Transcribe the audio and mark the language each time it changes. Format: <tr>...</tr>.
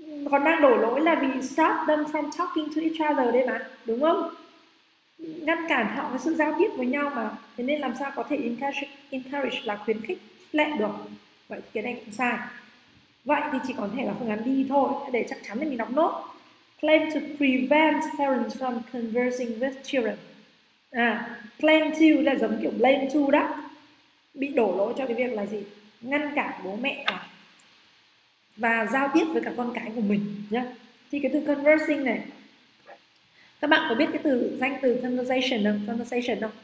<vi>Còn đang đổ lỗi là vì</vi> <en>stop them from talking to each other</en> <vi>đây mà, đúng không? Ngăn cản họ với sự giao tiếp với nhau mà. Thế nên làm sao có thể encourage là khuyến khích lệ được. Vậy thì cái này cũng sai. Vậy thì chỉ có thể là phương án đi thôi. Để chắc chắn thì mình đọc nốt.</vi> <en>Claim to prevent parents from conversing with children.</en> <vi>À,</vi> <en>claim to</en> <vi>là giống kiểu</vi> <en>blame to</en> <vi>đó. Bị đổ lỗi cho cái việc là gì? Ngăn cản bố mẹ à? Và giao tiếp với cả con cái của mình nhá. Thì cái từ conversing này, các bạn có biết cái từ danh từ conversation không? Conversation không?</vi>